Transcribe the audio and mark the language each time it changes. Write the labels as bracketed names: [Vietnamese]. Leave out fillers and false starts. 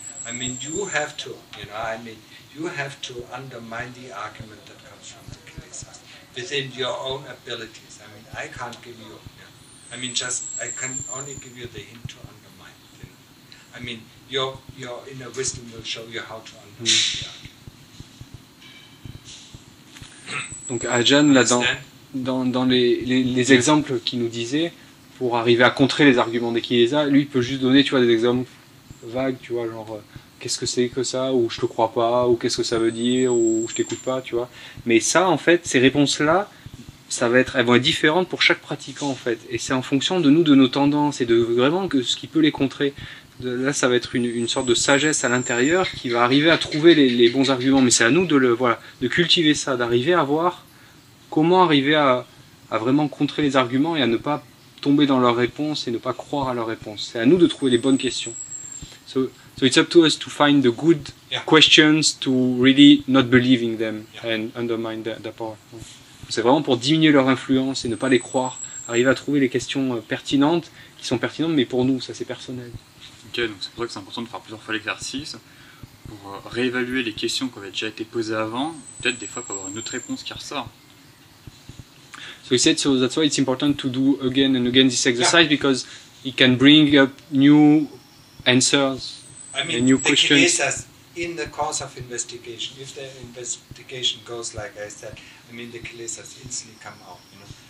[English] I mean, you have to, you know, I mean, you have to undermine the argument that comes from the kilesas within your own abilities. I mean, I can't give you, you know, I mean, just, I can only give you the hint to undermine, you know. I mean, your inner wisdom will show you how to undermine the argument. [French] Donc Ajahn, là, dans les exemples qu'il nous disait, pour arriver à contrer les arguments des kilesas, lui, il peut juste donner, tu vois, des exemples vagues, tu vois, genre, qu'est-ce que c'est que ça, ou je te crois pas, ou qu'est-ce que ça veut dire, ou je t'écoute pas, tu vois. Mais ça, en fait, ces réponses-là, ça va être, elles vont être différentes pour chaque pratiquant, en fait. Et c'est en fonction de nous, de nos tendances, et de vraiment que ce qui peut les contrer. Là, ça va être une sorte de sagesse à l'intérieur qui va arriver à trouver les bons arguments. Mais c'est à nous de, voilà, de cultiver ça, d'arriver à voir comment arriver à vraiment contrer les arguments et à ne pas tomber dans leurs réponses et ne pas croire à leurs réponses. C'est à nous de trouver les bonnes questions. [English] So it's up to us to find the good questions to really not believe in them and undermine their power. [French] C'est vraiment pour diminuer leur influence et ne pas les croire. Arriver à trouver les questions pertinentes, qui sont pertinentes, mais pour nous, ça c'est personnel. Ok, donc c'est pour ça que c'est important de faire plusieurs fois l'exercice pour réévaluer les questions qui avaient déjà été posées avant, peut-être des fois pour avoir une autre réponse qui ressort. [English] So he said, so that's why it's important to do again and again this exercise because it can bring up new answers, I mean, and new questions. I mean, the kilesas in the course of investigation, if the investigation goes like I said, I mean, the kilesas instantly come out, you know.